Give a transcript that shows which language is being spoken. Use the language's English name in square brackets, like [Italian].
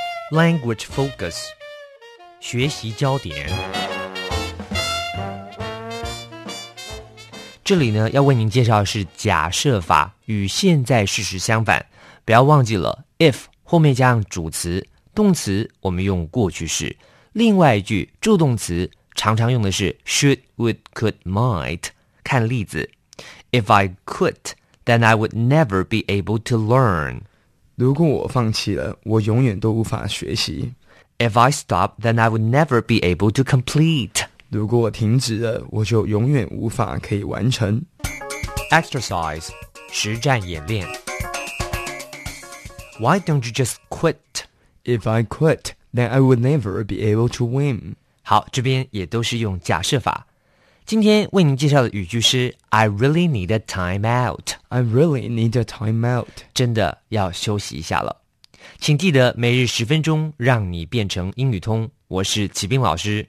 [English] Language focus [Chinese] 学习焦点这里呢要为您介绍的是假设法与现在事实相反，不要忘记了 if 后面加上主词，动词我们用过去式，另外一句助动词常常用的是 [English] should, would, could, might。看例子 If I could, then I would never be able to learn. [Chinese] 如果我放弃了，我永远都无法学习。 [English] If I stop, then I would never be able to complete. [Chinese] 如果我停止了，我就永远无法可以完成。 Exercise, 实战演练。 [English] Why don't you just quit? If I quit, then I would never be able to win. [Chinese] 好，这边也都是用假设法。今天为您介绍的语句是 [English] I really need a time out. I really need a time out. [Chinese] 真的要休息一下了。请记得每日十分钟，让你变成英语通。我是启兵老师，